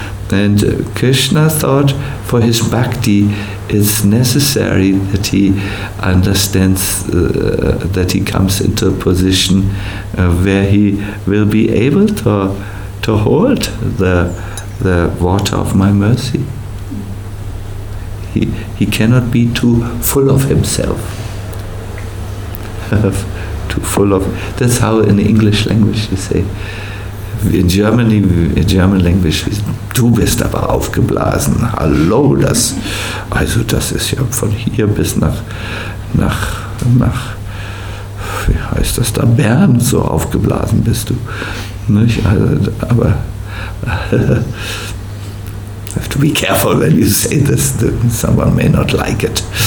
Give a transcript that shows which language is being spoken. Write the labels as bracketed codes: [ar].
[en] And Krishna thought for his bhakti it's necessary that he understands that he comes into a position where he will be able to hold the water of my mercy. He cannot be too full of himself. Too full of, that's how in the English language you say. In German language, [de] du bist aber aufgeblasen. Hallo, das. Also das ist ja von hier bis nach wie heißt das da, Bern, so aufgeblasen bist du. Nicht? Also, aber [en] have to be careful when you say this. Someone may not like it.